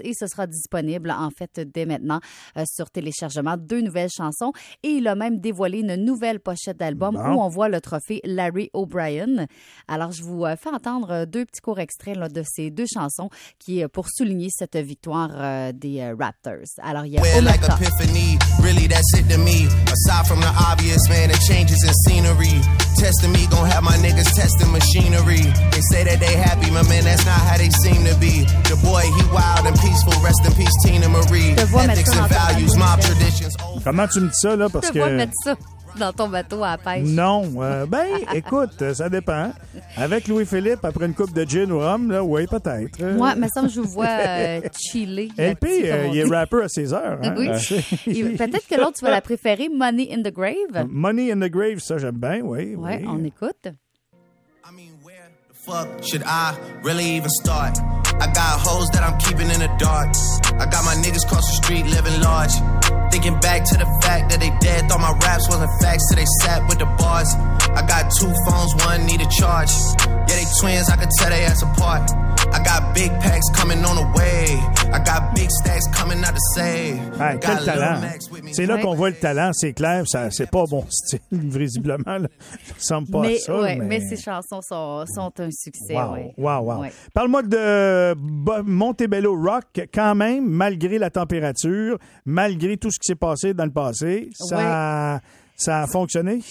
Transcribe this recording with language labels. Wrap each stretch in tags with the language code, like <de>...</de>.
<fr>Et ce sera disponible, en fait, dès maintenant sur téléchargement, deux nouvelles chansons. Et il a même dévoilé une nouvelle pochette d'album où on voit le trophée Larry O'Brien. Alors, je vous fais entendre deux petits courts extraits là, de ces deux chansons qui est pour souligner cette victoire des Raptors. Alors, il y a Omerta.</fr> <en>Like epiphany, really that's it to me. Aside from the obvious, man, it changes the scenery. Testing me, gonna have my niggas testing machinery. They say that they happy, my man, that's not how they seem to be. The boy, he wild and peaceful, rest in peace, Tina Marie. Ethics and values, mob traditions.</en> <fr>Comment tu me dis ça, là, parce que... dans ton bateau à pêche. Non. Ben, écoute, ça dépend. Avec Louis-Philippe, après une coupe de gin ou rhum, là, oui, peut-être. Moi, il me semble que je vois chiller. LP, il est rappeur à 16 heures. Hein? Oui. Et peut-être que l'autre, tu vas la préférer, Money in the Grave. Money in the Grave, ça, j'aime bien, oui. Ouais, oui, on écoute.</fr> <en>I mean, where the fuck should I really even start? I got hoes that I'm keeping in the dark. I got my niggas cross the street living large. Thinking back to the fact that they dead, thought my raps wasn't facts, so they sat with the bars. I got two phones, one need a charge. Yeah, they twins, I could tell they ass apart. I got big packs coming on the way. I got big stacks coming out to save.</en> <fr>Hey, quel talent. C'est là qu'on voit le talent, c'est clair, ça, c'est pas bon style, visiblement. Là. Ça semble pas mais, ça. Ouais, mais ces chansons sont un succès. Wow, ouais. Wow. Ouais. Parle-moi de Montebello Rock, quand même, malgré la température, malgré tout ce qui s'est passé dans le passé, ça a fonctionné?</fr>